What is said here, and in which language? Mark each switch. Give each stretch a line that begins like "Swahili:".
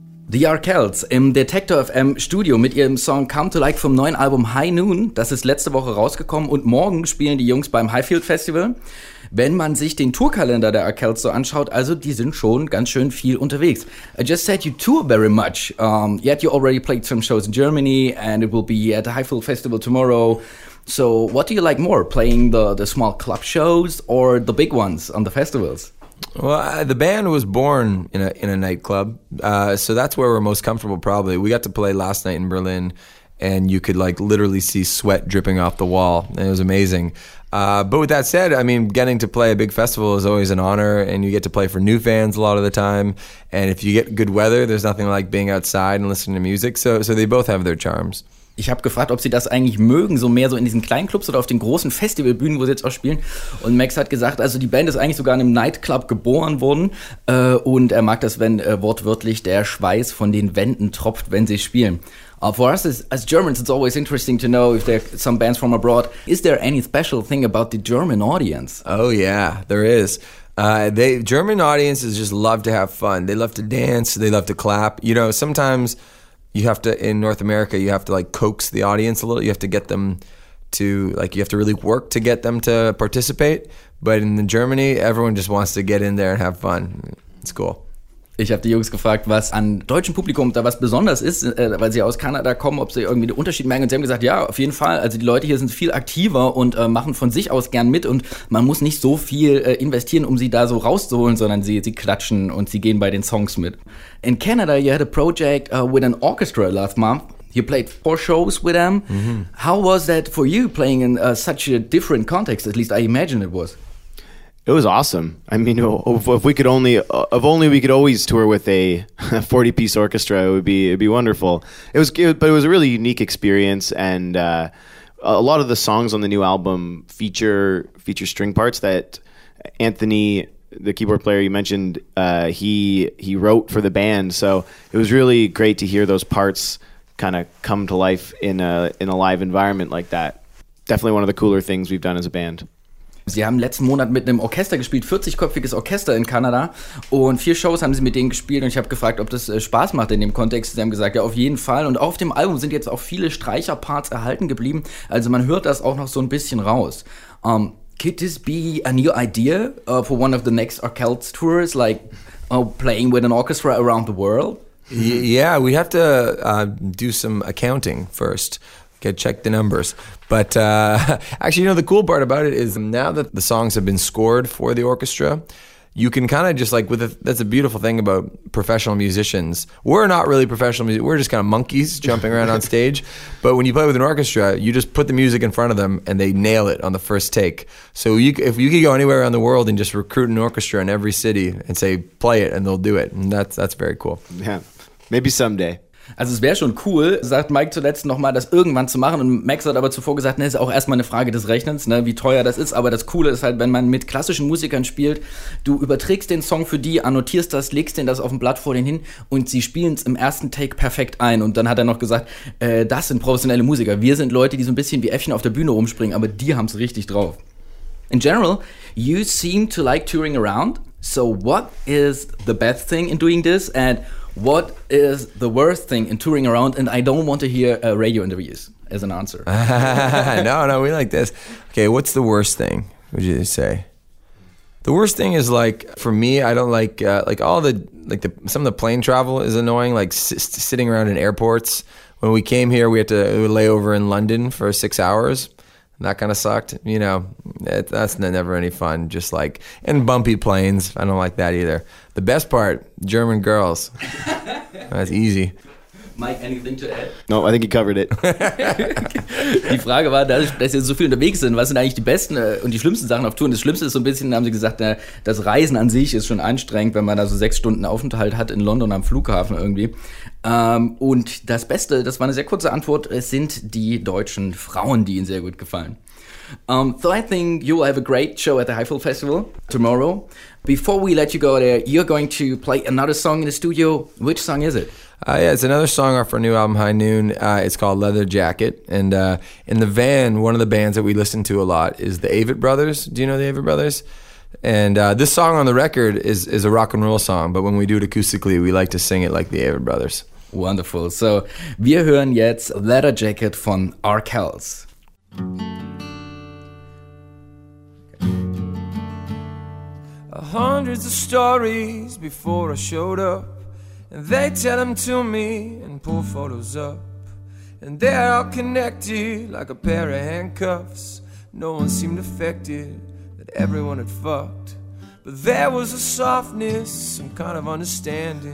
German: The Arkells im Detektor FM Studio mit ihrem Song Come to Life vom neuen Album High Noon. Das ist letzte Woche rausgekommen und morgen spielen die Jungs beim Highfield Festival. Wenn man sich den Tourkalender der Arkells so anschaut, also die sind schon ganz schön viel unterwegs.
English: I just said you tour very much, yet you already played some shows in Germany and it will be at the Highfield Festival tomorrow. So what do you like more, playing the small club shows or the big ones on the festivals? Well, the band was born in a nightclub, so that's where we're most comfortable probably. We got to play last night in Berlin, and you could like literally see sweat dripping off the wall, and it was amazing. But with that said, I mean, getting to play a big festival is always an honor, and you get to play for new fans a lot of the time, and if you get good weather, there's nothing like being outside and listening to music, so they both have their charms.
German: Ich habe gefragt, ob sie das eigentlich mögen, so mehr so in diesen kleinen Clubs oder auf den großen Festivalbühnen, wo sie jetzt auch spielen. Und Max hat gesagt, also die Band ist eigentlich sogar in einem Nightclub geboren worden. Und er mag das, wenn wortwörtlich der Schweiß von den Wänden tropft, wenn sie spielen.
English: For us as Germans, it's always interesting to know if there are some bands from abroad. Is there any special thing about the German audience? Oh yeah, there is. German audiences just love to have fun. They love to dance, they love to clap. You know, sometimes you have to, in North America, you have to like coax the audience a little. You have to get them to, like, you have to really work to get them to participate. But in Germany, everyone just wants to get in there and have fun. It's cool.
German: Ich habe die Jungs gefragt, was an deutschem Publikum da was besonders ist, weil sie aus Kanada kommen, ob sie irgendwie den Unterschied merken. Und sie haben gesagt, ja, auf jeden Fall. Also die Leute hier sind viel aktiver und machen von sich aus gern mit. Und man muss nicht so viel investieren, um sie da so rauszuholen, sondern sie klatschen und sie gehen bei den Songs mit.
English: In Canada, you had a project with an orchestra last month. You played 4 shows with them. Mm-hmm. How was that for you, playing in such a different context? At least I imagine it was. It was awesome. I mean, if we could only, if only we could always tour with a 40-piece orchestra, it'd be wonderful. It was, but it was a really unique experience, and a lot of the songs on the new album feature string parts that Anthony, the keyboard player you mentioned, he wrote for the band. So it was really great to hear those parts kind of come to life in a live environment like that. Definitely one of the cooler things we've done as a band.
German: Sie haben letzten Monat mit einem Orchester gespielt, 40-köpfiges Orchester in Kanada, und 4 Shows haben sie mit denen gespielt, und ich habe gefragt, ob das Spaß macht in dem Kontext. Sie haben gesagt, ja, auf jeden Fall. Und auf dem Album sind jetzt auch viele Streicherparts erhalten geblieben, also man hört das auch noch so ein bisschen raus.
English: Could this be a new idea for one of the next Arkells tours, like playing with an orchestra around the world? Yeah, we have to do some accounting first. Okay, check the numbers. But actually, you know, the cool part about it is now that the songs have been scored for the orchestra, you can kind of just like, that's a beautiful thing about professional musicians. We're not really professional musicians. We're just kind of monkeys jumping around on stage. But when you play with an orchestra, you just put the music in front of them and they nail it on the first take. So if you could go anywhere around the world and just recruit an orchestra in every city and say, play it, and they'll do it. And that's very cool. Yeah, maybe someday.
German: Also es wäre schon cool, sagt Mike zuletzt nochmal, das irgendwann zu machen. Und Max hat aber zuvor gesagt, ne, ist auch erstmal eine Frage des Rechnens, ne, wie teuer das ist. Aber das Coole ist halt, wenn man mit klassischen Musikern spielt, du überträgst den Song für die, annotierst das, legst denen das auf dem Blatt vor denen hin und sie spielen es im ersten Take perfekt ein. Und dann hat er noch gesagt, das sind professionelle Musiker. Wir sind Leute, die so ein bisschen wie Äffchen auf der Bühne rumspringen, aber die haben es richtig drauf.
English: In general, you seem to like touring around. So what is the best thing in doing this? And what is the worst thing in touring around? And I don't want to hear radio interviews as an answer. No, we like this. Okay, what's the worst thing, would you say? The worst thing is, like, for me, I don't like, some of the plane travel is annoying, like sitting around in airports. When we came here, we had to lay over in London for 6 hours. And that kind of sucked. You know, that's never any fun. Just like, and bumpy planes, I don't like that either. The best part, German girls. That's easy. Mike, anything to add? No, I think you covered it.
German: Die Frage war, dass sie so viel unterwegs sind, was sind eigentlich die besten und die schlimmsten Sachen auf Tour? Und das Schlimmste ist so ein bisschen, haben sie gesagt, das Reisen an sich ist schon anstrengend, wenn man da so 6 Stunden Aufenthalt hat in London am Flughafen irgendwie. Und das Beste, das war eine sehr kurze Antwort, sind die deutschen Frauen, die ihnen sehr gut gefallen.
English: So I think you will have a great show at the Highfield Festival tomorrow. Before we let you go there, you're going to play another song in the studio. Which song is it? Yeah, it's another song off our new album, High Noon. It's called Leather Jacket. And in the van, one of the bands that we listen to a lot is the Avett Brothers. Do you know the Avett Brothers? And this song on the record is a rock and roll song. But when we do it acoustically, we like to sing it like the Avett Brothers. Wonderful.
German: So wir hören jetzt Leather Jacket von Arkells.
English: Hundreds of stories before I showed up, and they tell them to me and pull photos up, and they're all connected like a pair of handcuffs. No one seemed affected, that everyone had fucked, but there was a softness, some kind of understanding.